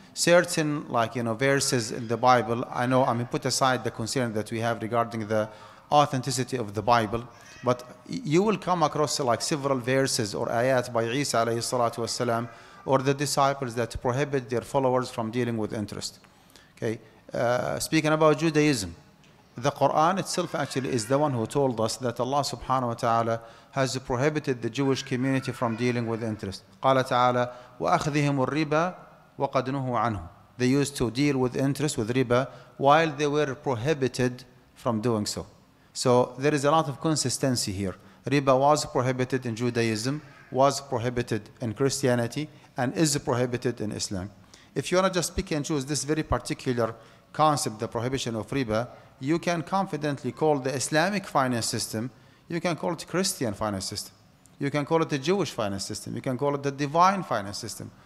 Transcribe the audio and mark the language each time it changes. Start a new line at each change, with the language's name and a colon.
English: Certain, like, you know, verses in the Bible, I mean, put aside the concern that we have regarding the authenticity of the Bible, but you will come across like several verses or ayat by Isa alayhi salatu wasalam or the disciples that prohibit their followers from dealing with interest. Okay, speaking about Judaism, the Quran itself actually is the one who told us that Allah subhanahu wa ta'ala has prohibited the Jewish community from dealing with interest.
Arabic: قال تعالى وَأَخْذِهِمُ الرِّبَى وَقَدْ نُهُوا عَنْهُ.
English: They used to deal with interest, with riba, while they were prohibited from doing so. So there is a lot of consistency here. Riba was prohibited in Judaism, was prohibited in Christianity, and is prohibited in Islam. If you want to just pick and choose this very particular concept, the prohibition of riba, you can confidently call the Islamic finance system, you can call it Christian finance system, you can call it the Jewish finance system, you can call it the divine finance system.